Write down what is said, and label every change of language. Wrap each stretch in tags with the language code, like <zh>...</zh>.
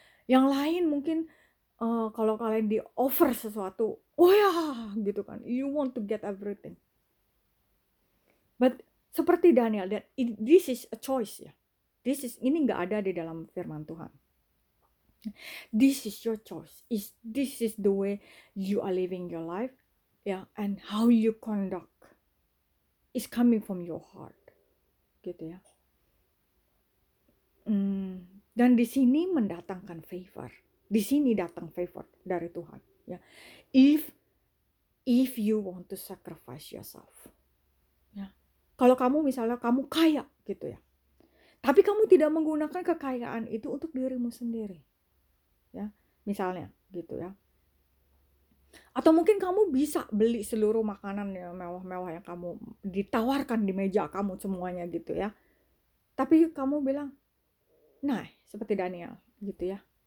<id>Yang lain mungkin kalau kalian di offer sesuatu, oh ya, gitu kan.</id> <en>You want to get everything. But</en> <id>seperti</id> <en>Daniel, that this is a choice ya. This is,</en> <id>ini nggak ada di dalam firman Tuhan.</id> <en>This is your choice. Is this is the way you are living your life, ya? Yeah, and how you conduct is coming from your heart, gitu ya.</en> <id>Dan di sini mendatangkan favor. Di sini datang favor dari Tuhan. Ya,</id> <en>if you want to sacrifice yourself,</en> <id>ya, kalau kamu misalnya kamu kaya gitu ya, tapi kamu tidak menggunakan kekayaan itu untuk dirimu sendiri, ya, misalnya gitu ya, atau mungkin kamu bisa beli seluruh makanan yang mewah-mewah yang kamu ditawarkan di meja kamu semuanya gitu ya, tapi kamu bilang, nah, seperti Daniel gitu ya.</id>